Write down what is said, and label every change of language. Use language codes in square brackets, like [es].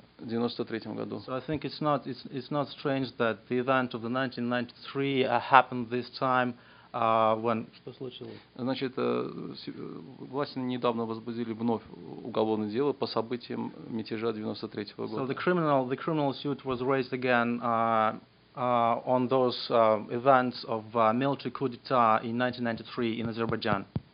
[en] So I think it's not strange that the event of the 1993 happened this time when. [ru] Что случилось? Значит, власти недавно возбудили вновь уголовное дело по событиям мятежа 93 года. [en] So the criminal suit was raised again on those events of military coup d'état in 1993 in Azerbaijan.